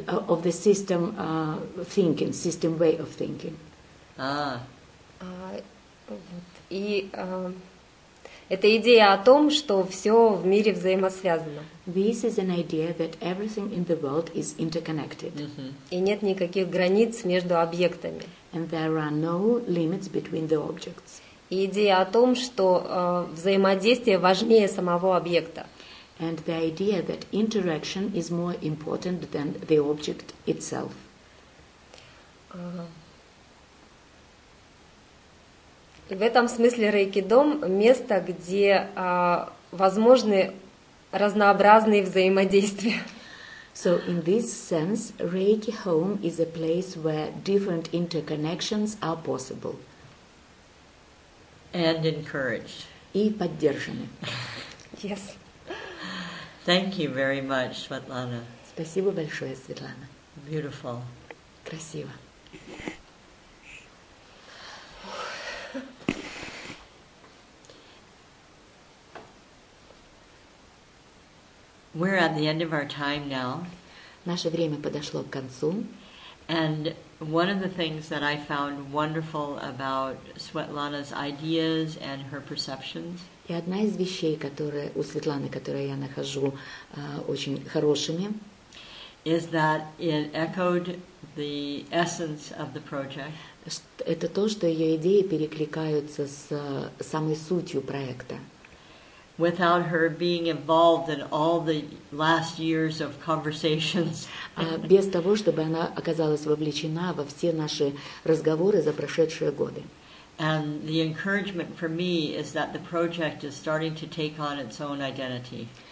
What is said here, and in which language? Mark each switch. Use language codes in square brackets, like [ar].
[en] Of the system thinking, system way of thinking. Ah. [ru] Вот. И Это идея о том, что все в мире взаимосвязано. [en] This is an idea that everything in the world is interconnected. Mm-hmm. [ru] И нет никаких границ между объектами. [en] And there are no limits between the objects. [ru] И идея о том, что взаимодействие важнее самого объекта. [en] And the idea that interaction is more important than the object itself. [ru] В этом смысле рейкидом – место, где возможны разнообразные взаимодействия. [en] So in this sense, Reiki home is a place where different interconnections are possible. And encouraged. [ru] И поддержаны. [en] Yes. Thank you very much, Svetlana. [ru] Спасибо большое, Светлана. [en] Beautiful. [ru] Красиво. [en] We're at the end of our time now. [ru] Наше время подошло к концу. [en] And one of the things that I found wonderful about Svetlana's ideas and her perceptions. [ru] И одна из вещей, которые у Светланы, которые я нахожу очень хорошими, [en] is that it echoed the essence of the project. [ru] Это то, что ее идеи перекликаются с самой сутью проекта. [en] Without her being involved in all the last years of conversations. [ru] Без того, чтобы она оказалась вовлечена во все наши разговоры за прошедшие годы. [en] And the encouragement for me is that the project is starting to take on its own identity.